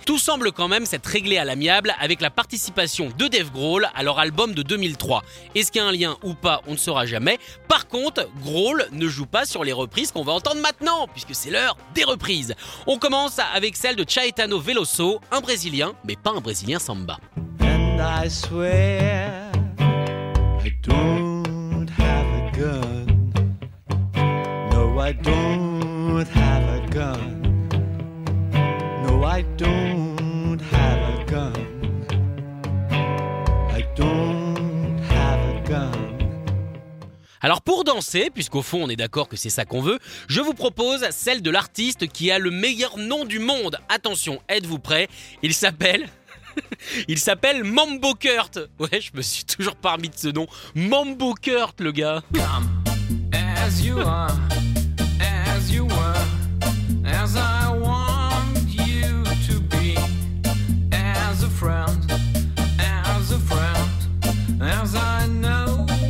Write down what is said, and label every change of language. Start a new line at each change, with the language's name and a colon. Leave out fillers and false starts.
French: Tout semble quand même s'être réglé à l'amiable avec la participation de Dave Grohl à leur album de 2003. Est-ce qu'il y a un lien ou pas, on ne saura jamais. Par contre, Grohl ne joue pas sur les reprises qu'on va entendre maintenant, puisque c'est l'heure des reprises. On commence avec celle de Caetano Veloso, un Brésilien, mais pas un Brésilien samba.
English: And I swear I don't have a gun. No, I don't have a gun. No, I don't have a gun. I don't have a gun.
French: Alors pour danser, puisqu'au fond on est d'accord que c'est ça qu'on veut, je vous propose celle de l'artiste qui a le meilleur nom du monde. Attention, êtes-vous prêts ? Il s'appelle... Il s'appelle Mambo Kurt. Ouais, je me suis toujours pas remis de ce nom. Mambo Kurt, le gars.
English: Come as you are, as you were, as I want you to be, as a friend, as a friend, as I know.